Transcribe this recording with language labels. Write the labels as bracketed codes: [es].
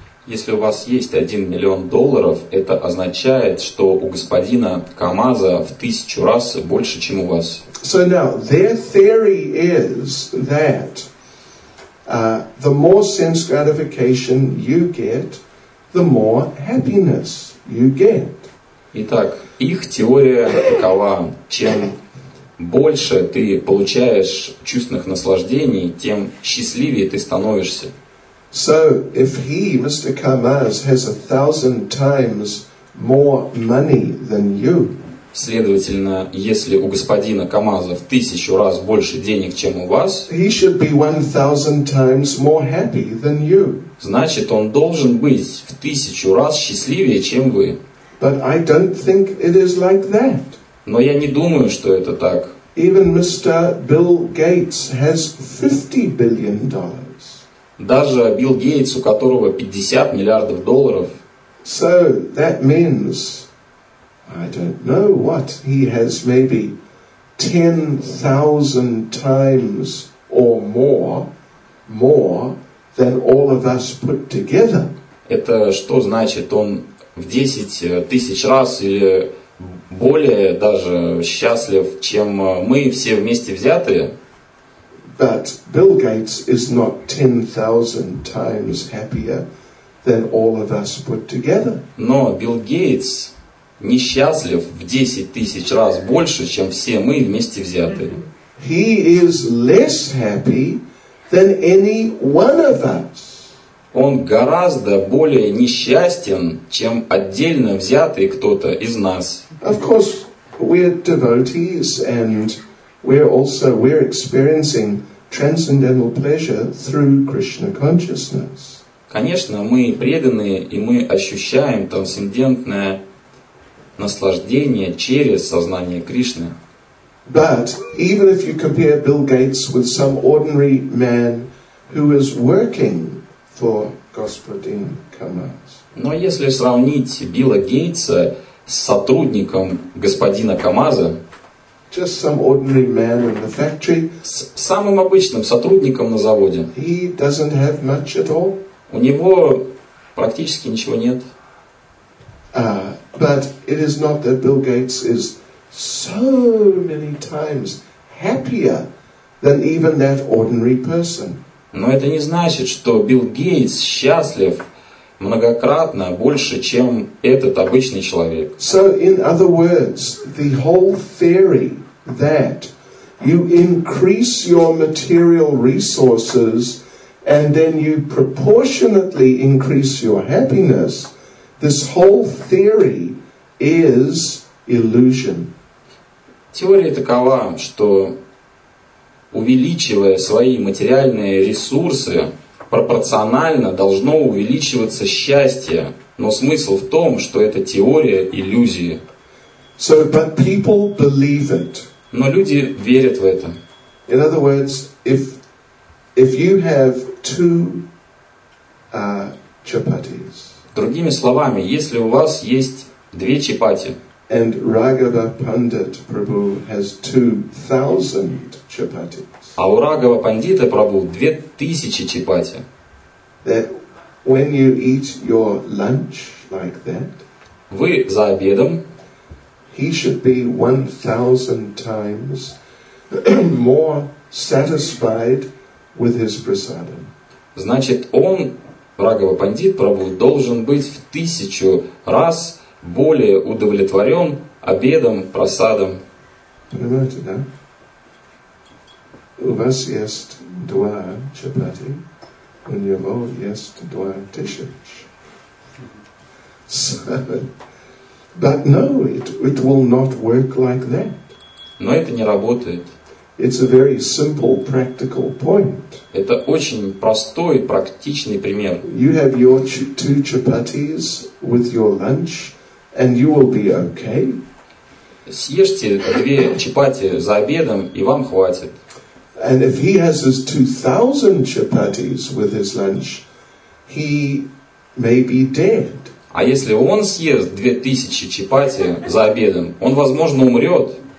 [ru] Если у вас есть $1 миллион, это означает, что у господина Камаза в 1000 раз больше, чем у вас. [en] So now, their theory is that the more sense gratification you get, the more happiness you get. [ru] Итак, их теория такова. Чем больше ты получаешь чувственных наслаждений, тем счастливее ты становишься. [en] So, if he, Mr. Kamaz, has 1,000 times more money than you, [ru] следовательно, если у господина Камаза в 1000 раз больше денег, чем у вас, [en] he should be 1,000 times more happy than you. [ru] Значит, он должен быть в 1000 раз счастливее, чем вы. [en] But I don't think it is like that. [ru] Но я не думаю, что это так. [en] Even Mr. Bill Gates has $50 billion. [ru] Даже Билл Гейтс, у которого $50 миллиардов. [en] So that means, I don't know what, he has maybe 10,000 times or more than all of us put together. [ru] Это что значит? Он в 10 000 раз или более даже счастлив, чем мы все вместе взятые? [en] But Bill Gates is not 10,000 times happier than all of us put together. [ru] Но Билл Гейтс несчастлив в 10 000 раз больше, чем все мы вместе взятые. [en] He is less happy than any one of us. [ru] Он гораздо более несчастен, чем отдельно взятый кто-то из нас. [en] Of course, we're devotees and we're experiencing transcendental pleasure through Krishna consciousness. [ru] Конечно, мы преданные, и мы ощущаем трансцендентное наслаждение через сознание Кришны. [en] But even if you compare Bill Gates with some ordinary man who is working for Gospodin Kamaz. [ru] Но если сравнить Билла Гейтса с сотрудником господина Камаза, [en] just some ordinary man in the factory. [ru] С самым обычным сотрудником на заводе. [en] He doesn't have much at all. [ru] У него практически ничего нет. [en] But it is not that Bill Gates is so many times happier than even that ordinary person. [ru] Но это не значит, что Билл Гейтс счастлив многократно больше, чем этот обычный человек. [en] So, in other words, the whole theory that you increase your material resources and then you proportionately increase your happiness, this whole theory is illusion. [ru] Теория такова, что увеличивая свои материальные ресурсы, пропорционально должно увеличиваться счастье, но смысл в том, что это теория иллюзии. [en] So, but people believe it. [ru] Но люди верят в это. [en] In other words, if you have two chapatis. [ru] Другими словами, если у вас есть две чапати. [en] And Raghava Pandit Prabhu has 2,000 chapatis. [ru] А у Рагава Пандита Прабху 2,000 чапати. [en] That when you eat your lunch like that. [ru] Вы за обедом. [en] He should be 1,000 times more satisfied with his prasadam. [ru] Значит, он, Рагава Пандит Прабху, должен быть в 1,000 раз более удовлетворен обедом, прасадом. Понимаете, да? У вас есть 2 чапати, у него есть 2,000. [en] But no, it will not work like that. [ru] Но это не работает. [en] It's a very simple practical point. [ru] Это очень простой практичный пример. [en] You have your 2 chapatis with your lunch and you will be okay. [ru] Съешьте 2 чапати за обедом и вам хватит. [en] And if he has his 2,000 chapatis with his lunch, he may be dead. [ru] А если он съест 2,000 чапати за обедом, он, возможно, умрет.